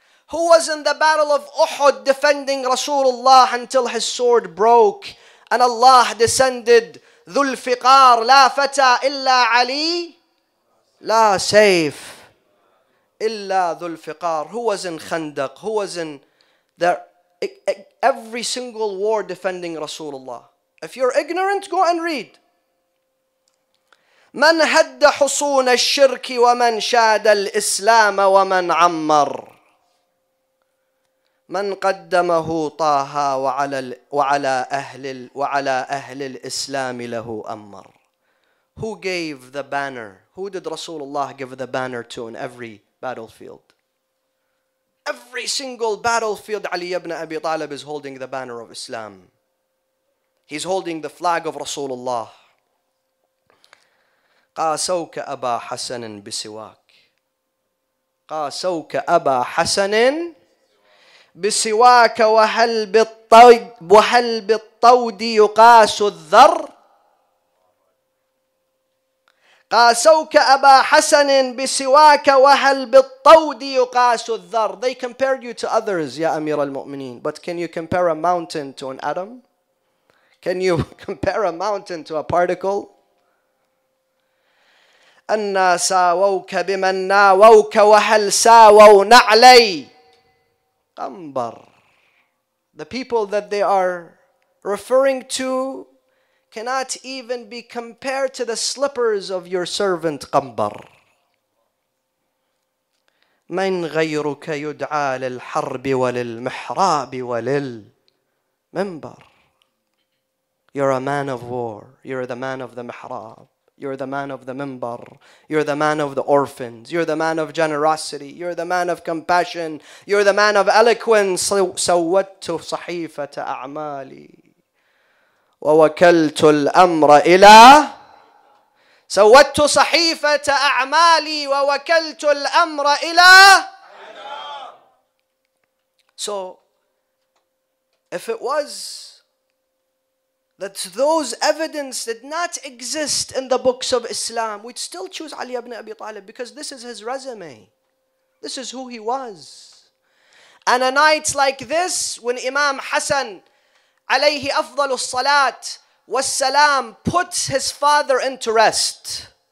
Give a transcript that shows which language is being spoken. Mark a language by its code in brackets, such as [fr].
[en] Who was in the battle of Uhud defending Rasulullah until his sword broke and Allah descended Dhul Fiqar [ar] la fata illa Ali la saif illa Dhul Fiqar? [en] Who was in Khandaq? Who was in the every single war defending Rasulullah? If you're ignorant, go and read. [ar] من هد حصون الشرك ومن شاد الإسلام ومن عمر من قدمه طه وعلى أهل وعلى أهل الإسلام له أمر. [en] Who gave the banner? Who did Rasulullah give the banner to in every battlefield? Every single battlefield, Ali ibn Abi Talib is holding the banner of Islam. He's holding the flag of Rasulullah. [ar] قاسوك أبا حسن بسواك. قاسوك أبا حسن بسواك وهل بالطود يقاس الذر. قاسوك أبا حسن بسواك وهل بالطود يقاس الذر. [en] They compared you to others, [ar] يا أمير المؤمنين. [en] But can you compare a mountain to an atom? Can you compare a mountain to a particle? [ar] أنا ساووك بمن ناووك وهل ساووا نعلي قنبر. [en] The people that they are referring to cannot even be compared to the slippers of your servant قنبر. [ar] من غيرك يدعى للحرب وللمحراب وللمنبر. [en] You're a man of war, you're the man of the mihrab, you're the man of the minbar, you're the man of the orphans, you're the man of generosity, you're the man of compassion, you're the man of eloquence. [ar] سوّدت صحيفة أعمالي ووكلت الأمر إلى. سوّدت صحيفة أعمالي ووكلت الأمر إلى. [en] So if it was that those evidence did not exist in the books of Islam, we'd still choose Ali ibn Abi Talib, because this is his resume. This is who he was. And a night like this, when Imam Hassan, alayhi afdalu salat was salam, puts his father into rest.